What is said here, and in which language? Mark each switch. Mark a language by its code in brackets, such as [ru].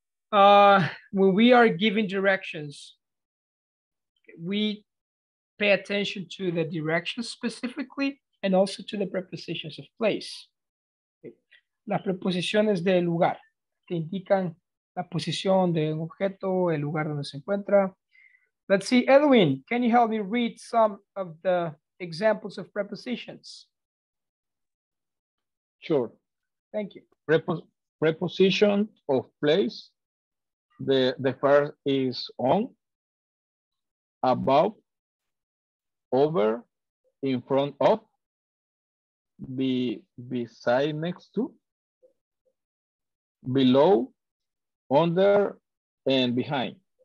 [en] When we are giving directions, we pay attention to the directions specifically and also to the prepositions of place. [es] Las preposiciones de lugar que indican la posición de un objeto, el lugar donde se encuentra. [en] Let's see, Edwin, can you help me read some of the examples of prepositions? Sure. Thank you. Preposition of place. The first is on, above, over, in front of, beside, next to, below, under, and behind.